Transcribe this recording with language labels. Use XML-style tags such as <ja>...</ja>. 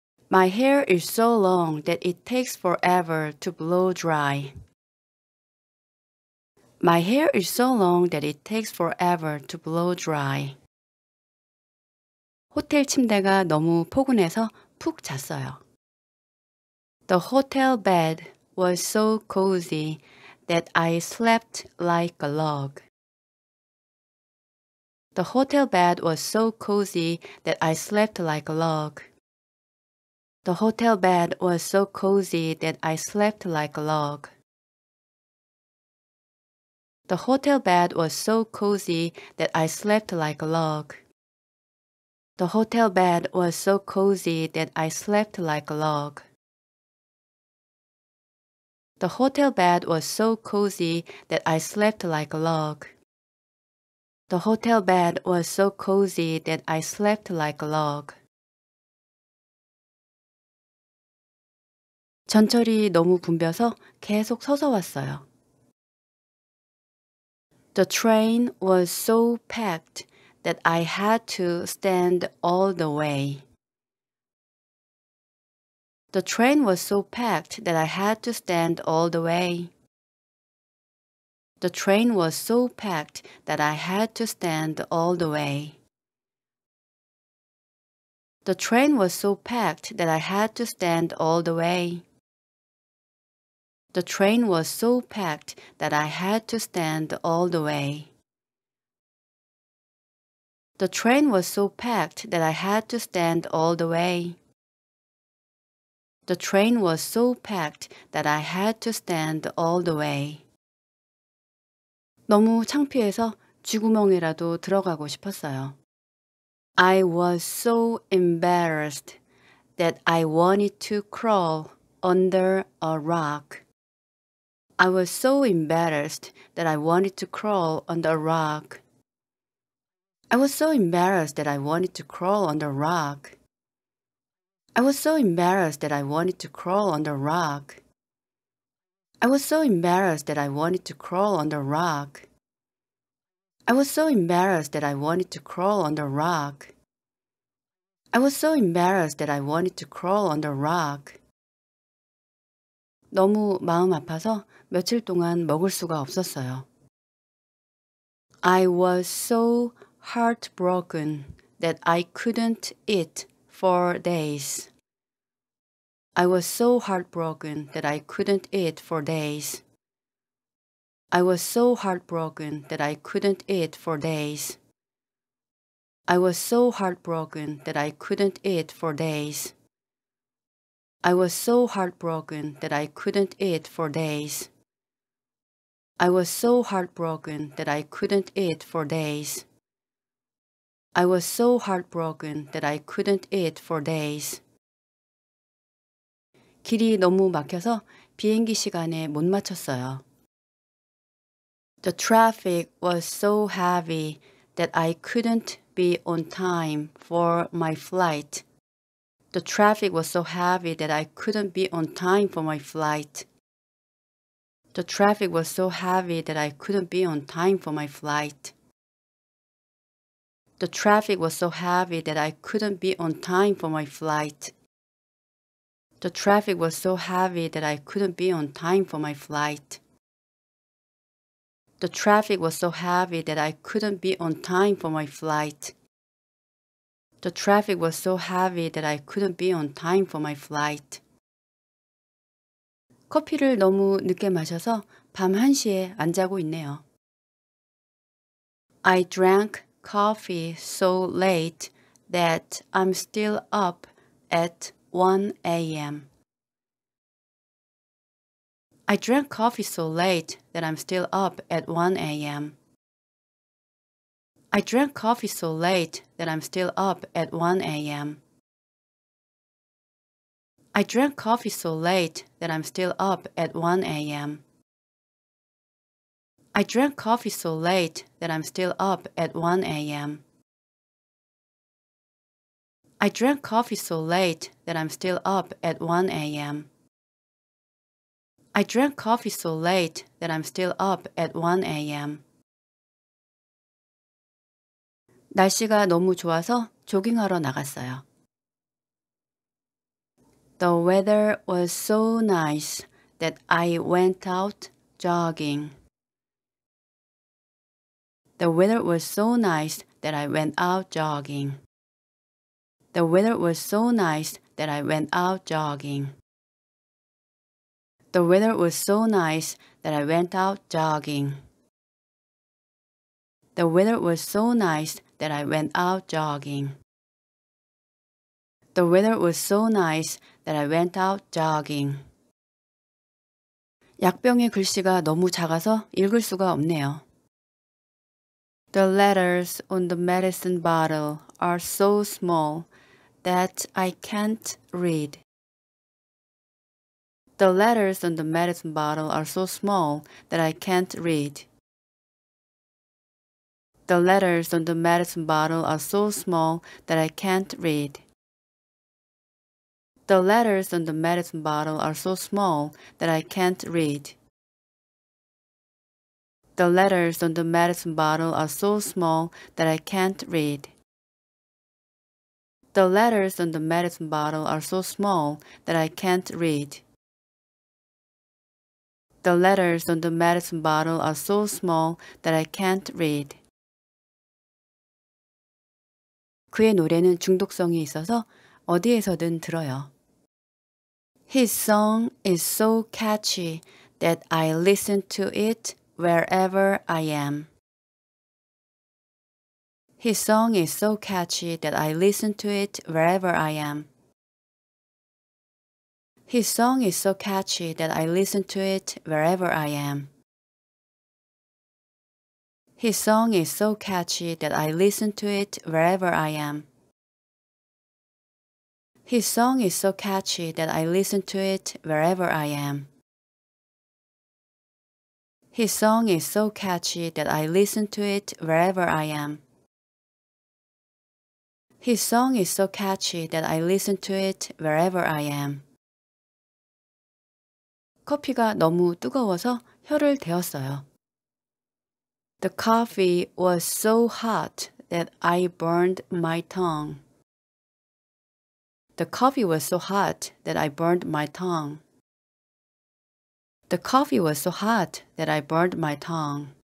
<en>My hair is so long that it takes forever to blow dry. My hair is so long that it takes forever to blow dry.</en> <ko>호텔 침대가 너무 포근해서 푹 잤어요.</ko> <en>The hotel bed was so cozy that I slept like a log. The hotel bed was so cozy that I slept like a log. The hotel bed was so cozy that I slept like a log. The hotel bed was so cozy that I slept like a log. The hotel bed was so cozy that I slept like a log. The hotel bed was so cozy that I slept like a log. The hotel bed was so cozy that I slept like a log.</en> <ko>전철이 너무 붐벼서 계속 서서 왔어요.</ko> <en>The train was so packed that I had to stand all the way. The train was so packed that I had to stand all the way. The train was so packed that I had to stand all the way. The train was so packed that I had to stand all the way. The train was so packed that I had to stand all the way. The train was so packed that I had to stand all the way. The train was so packed that I had to stand all the way.</en> <ko>너무 창피해서 쥐구멍이라도 들어가고 싶었어요.</ko> <en>I was so embarrassed that I wanted to crawl under a rock. I was so embarrassed that I wanted to crawl under a rock. I was so embarrassed that I wanted to crawl under a rock. I was so embarrassed that I wanted to crawl under a rock. I was so embarrassed that I wanted to crawl under a rock. I was so embarrassed that I wanted to crawl under a rock. I was so embarrassed that I wanted to crawl under a rock.</en> <ko>너무 마음 아파서 며칠 동안 먹을 수가 없었어요.</ko> <en>I was so heartbroken that I couldn't eat for days. I was so heartbroken that I couldn't eat for days. I was so heartbroken that I couldn't eat for days. I was so heartbroken that I couldn't eat for days. I was so heartbroken that I couldn't eat for days. I was so heartbroken that I couldn't eat for days. I was so heartbroken that I couldn't eat for days.</en> <ko>길이 너무 막혀서 비행기 시간에 못 맞췄어요.</ko> <en>The traffic was so heavy that I couldn't be on time for my flight. The traffic was so heavy that I couldn't be on time for my flight. The traffic was so heavy that I couldn't be on time for my flight. The traffic was so heavy that I couldn't be on time for my flight. The traffic was so heavy that I couldn't be on time for my flight. The traffic was so heavy that I couldn't be on time for my flight. The traffic was so heavy that I couldn't be on time for my flight.</en> <ko>커피를 너무 늦게 마셔서 밤 1시에 안 자고 있네요.</ko> <en>I drank coffee so late that I'm still up at 1 a.m. I drank coffee so late that I'm still up at 1 a.m. I drank coffee so late that I'm still up at 1 a.m. I drank coffee so late that I'm still up at 1 a.m. I drank coffee so late that I'm still up at 1 a.m. I drank coffee so late that I'm still up at 1 a.m. I drank coffee so late that I'm still up at 1 a.m.</en> <ko>날씨가 너무 좋아서 조깅하러 나갔어요.</ko> <en>The weather was so nice that I went out jogging. The weather was so nice that I went out jogging. The weather was so nice that I went out jogging. The weather was so nice that I went out jogging. The weather was so nice that I went out jogging. The weather was so nice that I went out jogging.</en> <ko>약병의 글씨가 너무 작아서 읽을 수가 없네요.</ko> <en>The letters on the medicine bottle are so small that I can't read. The letters on the medicine bottle are so small that I can't read. The letters on the medicine bottle are so small that I can't read. The letters on the medicine bottle are so small that I can't read. The letters on the medicine bottle are so small that I can't read. The letters on the medicine bottle are so small that I can't read. The letters on the medicine bottle are so small that I can't read.</en> <ko>그의 노래는 중독성이 있어서 어디에서든 들어요.</ko> <en>His song is so catchy that I listen to it wherever I am. His song is so catchy that I listen to it wherever I am. His song is so catchy that I listen to it wherever I am. His song is so catchy that I listen to it wherever I am. His song is so catchy that I listen to it wherever I am. His song is so catchy that I listen to it wherever I am. His song is so catchy that I listen to it wherever I am.</en> <ko>커피가 너무 뜨거워서 혀를 데웠어요.</ko> <en>The coffee was so hot that I burned my tongue. The coffee was so hot that I burned my tongue. The coffee was so hot that I burned my tongue.</en>